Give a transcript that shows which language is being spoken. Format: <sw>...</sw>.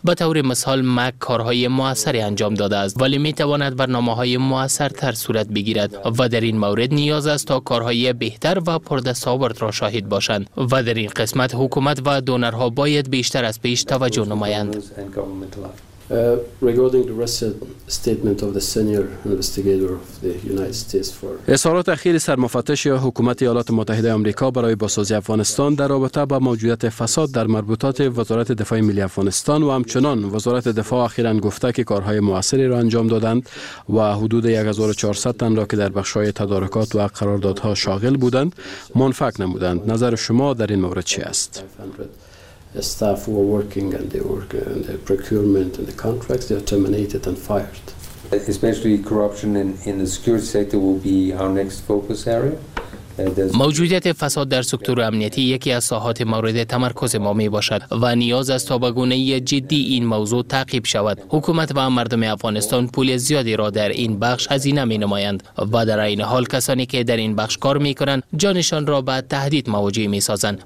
<fa>به طور مثال مک کارهای مؤثری انجام داده است، ولی می تواند برنامه های مؤثر تر صورت بگیرد و در این مورد نیاز است تا کارهای بهتر و پردستاورد را شاهد باشند و در این قسمت حکومت و دونرها باید بیشتر از پیش توجه نمایند.</fa> <en>Regarding the recent statement of the senior investigator of the United States for</en> <fa>اظهارات اخیر سرمفتش حکومت ایالات متحده آمریکا برای بازسازی افغانستان در رابطه با موجودیت فساد در مربوطات وزارت دفاع ملی افغانستان و همچنان وزارت دفاع اخیراً گفته که کارهای مؤثری را انجام دادند و حدود 1400 تن را که در بخش‌های تدارکات و قراردادها شاغل بودند منفک نمودند. نظر شما در این مورد چی است؟</fa> <en>Staff who are working and they work in the procurement and the contracts, they are terminated and fired. Especially corruption in the security sector will be our next focus area.</en> <fa>موجودیت فساد در سکتور امنیتی یکی از ساحات مورد تمرکز ما می باشد و نیاز است تا به گونه جدی این موضوع تعقیب شود. حکومت و مردم افغانستان پول زیادی را در این بخش هزینه می نمایند و در این حال کسانی که در این بخش کار می کنند جانشان را به تهدید مواجه می سازند.</fa>